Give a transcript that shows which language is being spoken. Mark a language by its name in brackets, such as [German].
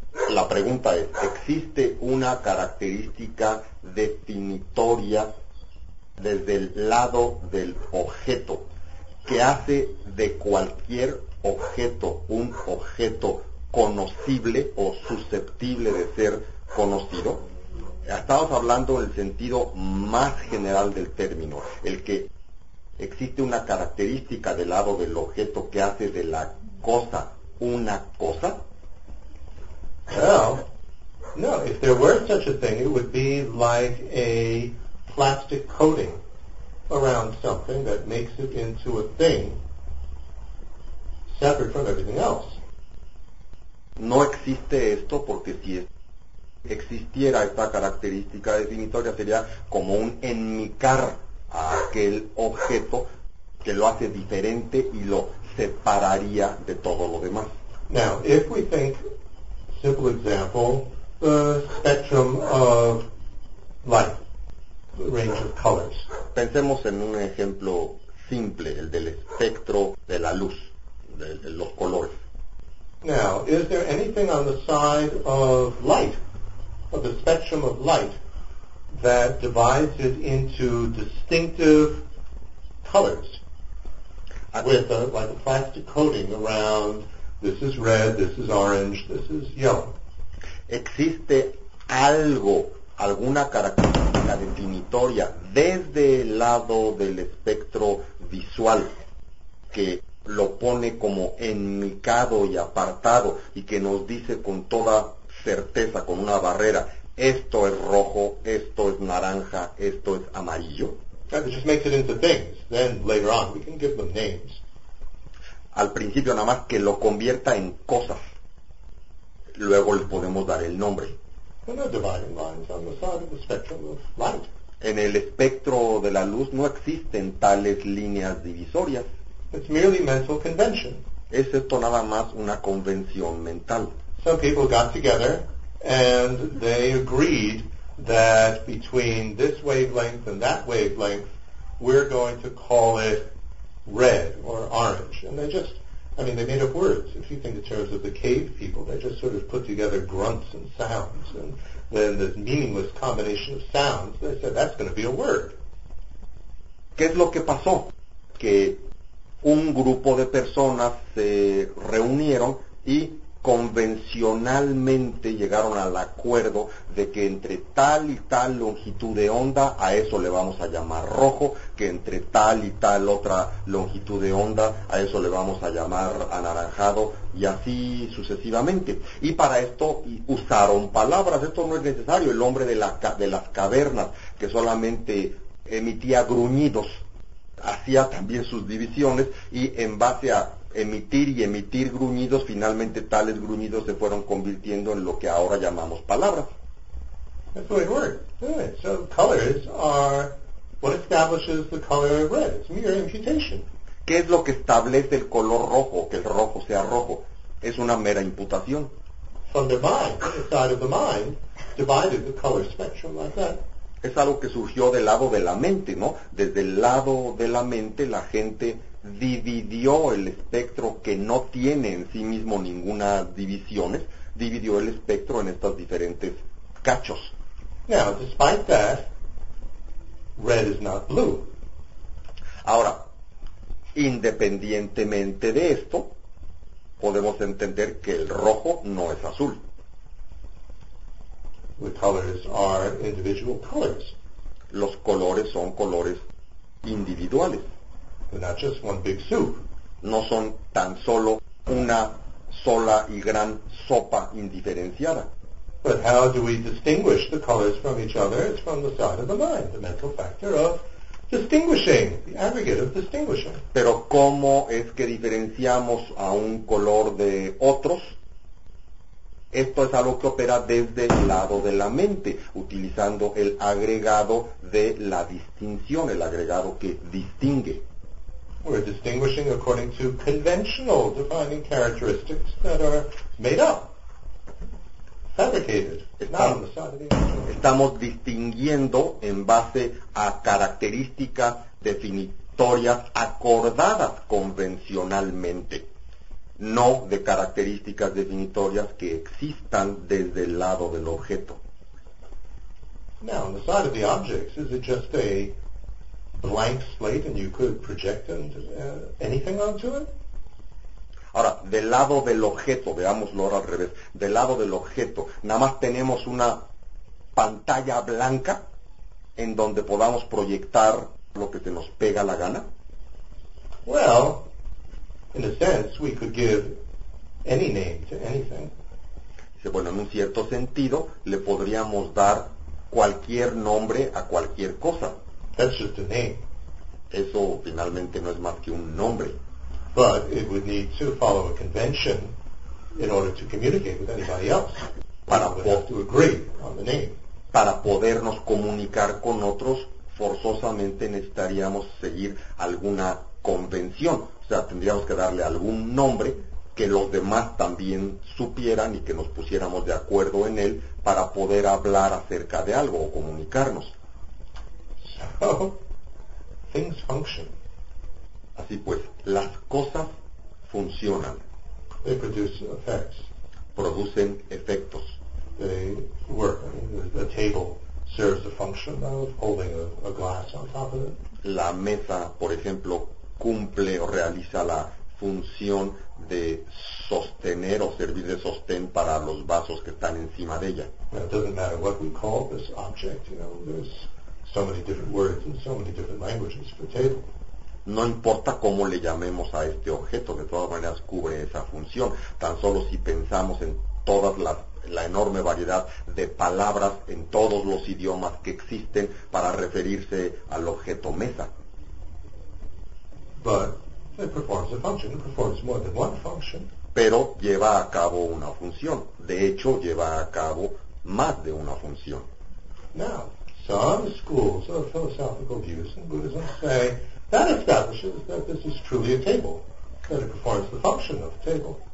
[Spanish] La pregunta es, ¿existe una característica definitoria desde el lado del objeto que hace de cualquier objeto un objeto conocible o susceptible de ser conocido? Estamos hablando en el sentido más general del término, el que existe una característica del lado del objeto que hace de la cosa una cosa. [English] Well, no, if there were such a thing, it would be like a plastic coating around something that makes it into a thing separate from everything else. [Spanish] No existe esto, porque si existiera esta característica definitoria sería como un enmicar a aquel objeto que lo hace diferente y lo separaría de todo lo demás. [English] Now, if we think, simple example, the spectrum of light, the range of colors. [Spanish] Pensemos en un ejemplo simple, el del espectro de la luz, de los colores. [English] Now, is there anything on the side of light, of the spectrum of light, that divides it into distinctive colors? With a, like a plastic coating around, this is red, this is orange, this is yellow. [Spanish] ¿Existe algo, alguna característica definitoria desde el lado del espectro visual que lo pone como enmicado y apartado y que nos dice con toda certeza, con una barrera, esto es rojo, esto es naranja, esto es amarillo? [English] It just makes it into things. Then later on we can give them names. [Spanish] Al principio nada más que lo convierta en cosas. Luego le podemos dar el nombre. [English] We're not dividing lines on the side of the spectrum of light. [Spanish] En el espectro de la luz no existen tales líneas divisorias. [English] It's merely mental convention. [Spanish] Es esto nada más una convención mental. [English] Some people got together and they agreed that between this wavelength and that wavelength, we're going to call it red or orange. And they just, I mean, they made up words. If you think in terms of the cave people, they just sort of put together grunts and sounds. And then this meaningless combination of sounds, they said, that's going to be a word. [Spanish] ¿Qué es lo que pasó? que un grupo de personas se reunieron y convencionalmente llegaron al acuerdo de que entre tal y tal longitud de onda, a eso le vamos a llamar rojo, que entre tal y tal otra longitud de onda, a eso le vamos a llamar anaranjado, y así sucesivamente. Y para esto usaron palabras. Esto no es necesario. El hombre de las cavernas, que solamente emitía gruñidos, hacía también sus divisiones, y en base a emitir y emitir gruñidos, finalmente tales gruñidos se fueron convirtiendo en lo que ahora llamamos palabras. [English] That's the way it works. Yeah. So colors are what establishes the color of red. It's mere imputation. [Spanish] ¿Qué es lo que establece el color rojo, que el rojo sea rojo? Es una mera imputación. [English] From the mind, the side of the mind, divided the color spectrum like that. [Spanish] Es algo que surgió del lado de la mente, ¿no? Desde el lado de la mente, la gente dividió el espectro, que no tiene en sí mismo ninguna división, dividió el espectro en estos diferentes cachos. [English] Now, despite that, red is not blue. [Spanish] Ahora, independientemente de esto, podemos entender que el rojo no es azul. [English] The colors are individual colors. [Spanish] Los colores son colores individuales. [English] They're not just one big soup. [Spanish] No son tan solo una sola y gran sopa indiferenciada. [English] But how do we distinguish the colors from each other? It's from the side of the mind, the mental factor of distinguishing, the aggregate of distinguishing. [Spanish] Pero ¿cómo es que diferenciamos a un color de otros? Esto es algo que opera desde el lado de la mente, utilizando el agregado de la distinción, el agregado que distingue. [English] We're distinguishing according to conventional defining characteristics that are made up, fabricated, not on the side of the individual. [Spanish] Estamos distinguiendo en base a características definitorias acordadas convencionalmente, no de características definitorias que existan desde el lado del objeto. [English] Now, on the side of the objects, is it just a blank slate and you could project anything onto it? [Spanish] Ahora, del lado del objeto, veámoslo ahora al revés, del lado del objeto, nada más tenemos una pantalla blanca en donde podamos proyectar lo que se nos pega la gana? [English] Well, in a sense, we could give any name to anything. [Spanish] Bueno, en un cierto sentido, le podríamos dar cualquier nombre a cualquier cosa. [English] That's just a name. [Spanish] Eso finalmente no es más que un nombre. [English] But it would need to follow a convention in order to communicate with anybody else. We would have to agree on the name. [Spanish] Para podernos comunicar con otros, forzosamente necesitaríamos seguir alguna convención. O sea, tendríamos que darle algún nombre que los demás también supieran y que nos pusiéramos de acuerdo en él para poder hablar acerca de algo o comunicarnos. [English] So, things function. [Spanish] Así pues, las cosas funcionan. [English] They produce effects. [Spanish] Producen efectos. [English] They work. The table serves the function of holding a glass on top of it. [Spanish] La mesa, por ejemplo, cumple o realiza la función de sostener o servir de sostén para los vasos que están encima de ella. [English] It doesn't matter what we call this object, you know, there's so many different words and so many different languages for table. [Spanish] No importa cómo le llamemos a este objeto, de todas maneras cubre esa función. Tan solo si pensamos en todas la enorme variedad de palabras en todos los idiomas que existen para referirse al objeto mesa. [English] But it performs a function. It performs more than one function. [Spanish] Pero lleva a cabo una función. De hecho, lleva a cabo más de una función. [English] Now, some schools of philosophical views in Buddhism say that establishes that this is truly a table, that it performs the function of a table.